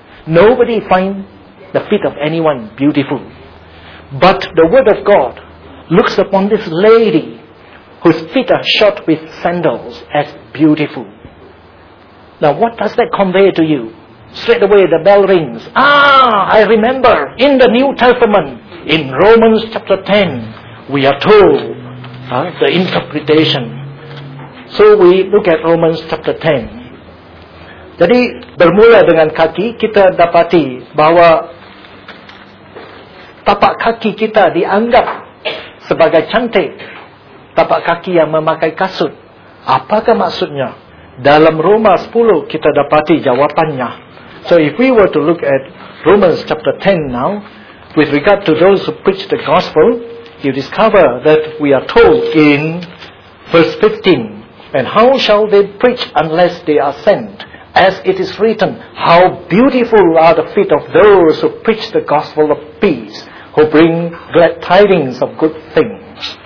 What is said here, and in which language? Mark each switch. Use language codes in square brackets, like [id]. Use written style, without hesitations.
[en] Nobody finds the feet of anyone beautiful. But the Word of God looks upon this lady whose feet are shod with sandals as beautiful. Now what does that convey to you? Straight away the bell rings. Ah, I remember in the New Testament, in Romans chapter 10, we are told the interpretation. So we look at Romans chapter 10. [ms] Jadi bermula dengan kaki, kita dapati bahwa tapak kaki kita dianggap sebagai cantik. Tapak kaki yang memakai kasut. Apakah maksudnya? Dalam Roma 10 kita dapati jawapannya. [en] So if we were to look at Romans chapter 10 now, with regard to those who preach the gospel, you discover that we are told in verse 15, and how shall they preach unless they are sent? As it is written, how beautiful are the feet of those who preach the gospel of peace, who bring glad tidings of good things.